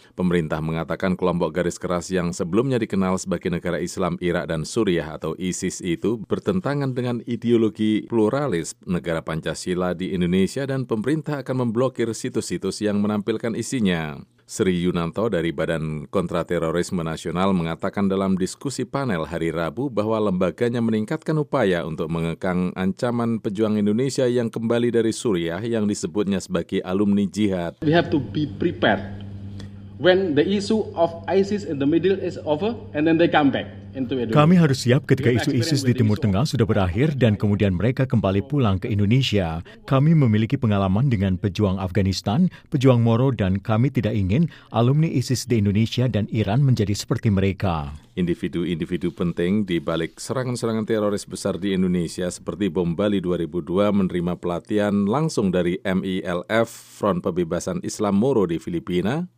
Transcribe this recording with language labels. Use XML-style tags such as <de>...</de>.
<id>Pemerintah mengatakan kelompok garis keras yang sebelumnya dikenal sebagai negara Islam Irak dan Suriah atau ISIS itu bertentangan dengan ideologi pluralis negara Pancasila di Indonesia dan pemerintah akan memblokir situs-situs yang menampilkan isinya. Sri Yunanto dari Badan Kontraterorisme Nasional mengatakan dalam diskusi panel hari Rabu bahwa lembaganya meningkatkan upaya untuk mengekang ancaman pejuang Indonesia yang kembali dari Suriah yang disebutnya sebagai alumni jihad.</id> <en>We have to be prepared when the issue of ISIS in the Middle is over and then they come back.</en> <id>Kami harus siap ketika isu ISIS di Timur Tengah sudah berakhir dan kemudian mereka kembali pulang ke Indonesia. Kami memiliki pengalaman dengan pejuang Afghanistan, pejuang Moro, dan kami tidak ingin alumni ISIS di Indonesia dan Iran menjadi seperti mereka. Individu-individu penting di balik serangan-serangan teroris besar di Indonesia seperti bom Bali 2002 menerima pelatihan langsung dari MILF, Front Pembebasan Islam Moro di Filipina,</id>